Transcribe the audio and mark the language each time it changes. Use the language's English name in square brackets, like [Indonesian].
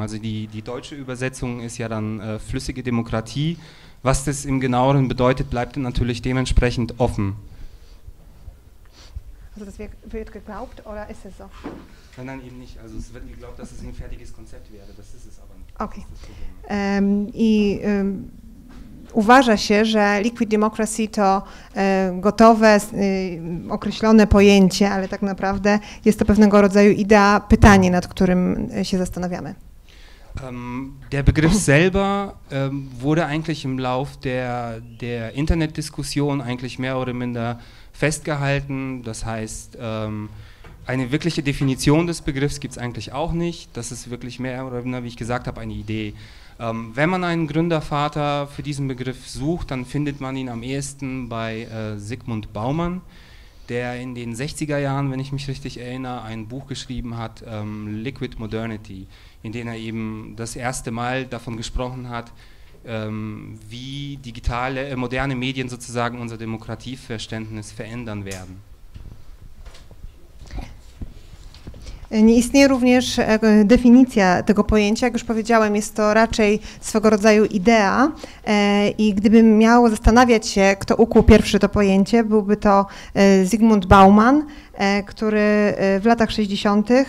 [German] Also die deutsche Übersetzung ist ja dann flüssige Demokratie. Was das im Genaueren bedeutet, bleibt natürlich dementsprechend offen. Also das wird geglaubt oder ist es so? Nein, eben nicht. Also es wird geglaubt, dass es ein fertiges Konzept wäre. Das ist es aber nicht. Okay. [Polish] Uważa się, że Liquid Democracy to gotowe, określone pojęcie, ale tak naprawdę jest to pewnego rodzaju idea, pytanie, nad którym się zastanawiamy. [German] Der Begriff selber wurde eigentlich im Lauf der Internetdiskussion eigentlich mehr oder minder festgehalten. Das heißt, eine wirkliche Definition des Begriffs gibt es eigentlich auch nicht. Das ist wirklich mehr oder minder, wie ich gesagt habe, eine Idee. Wenn man einen Gründervater für diesen Begriff sucht, dann findet man ihn am ehesten bei Sigmund Baumann, der in den 60er Jahren, wenn ich mich richtig erinnere, ein Buch geschrieben hat, Liquid Modernity, in dem er eben das erste Mal davon gesprochen hat, wie digitale, moderne Medien sozusagen unser Demokratieverständnis verändern werden. [Polish] Nie istnieje również definicja tego pojęcia. Jak już powiedziałem, jest to raczej swego rodzaju idea i gdybym miał zastanawiać się, kto ukuł pierwszy to pojęcie, byłby to Zygmunt Bauman, który w latach 60.